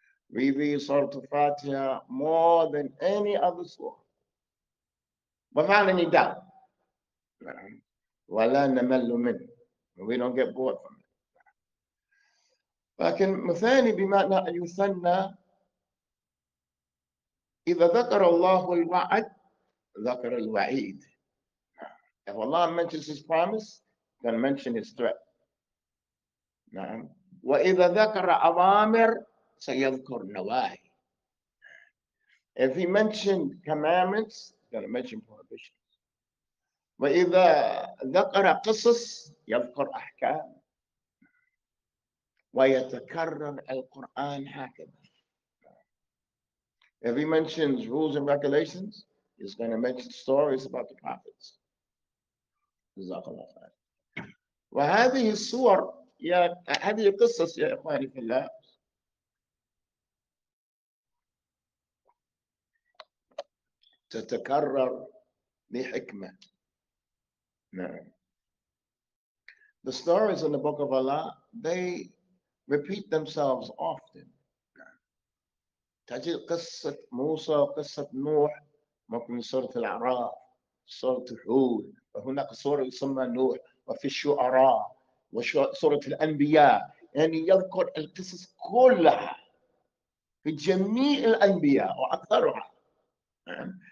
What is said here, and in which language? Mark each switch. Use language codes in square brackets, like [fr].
[en] We read Surah Al-Fatiha more than any other surah, without any doubt. [ar] ولا نمل منه. [en] We don't get bored from it. [ar] لكن مثاني بمعنى أن يثنى. إذا ذكر الله الوعد ذكر الوعيد. [en] If Allah mentions His promise, then mention His threat. نعم. [ar] وإذا ذكر أوامر سيذكر نواهي. [en] If he mentioned commandments, he's going to mention prohibitions. [ar] وإذا ذكر قصص يذكر أحكام. ويتكرر القرآن هكذا. [en] If he mentions rules and regulations, he's going to mention stories about the prophets. [ar] جزاك الله خير. وهذه الصور يا هذه القصص يا إخواني في الله. تتكرر لحكمة. نعم. [en] The stories in the book of Allah, they repeat themselves often. [ar] تجد قصة موسى وقصة نوح ممكن سورة الأعراف سورة هود، وهناك سورة يسمى نوح وفي الشعراء وسورة الأنبياء، يعني يذكر القصص كلها في جميع الأنبياء وأكثرها. نعم.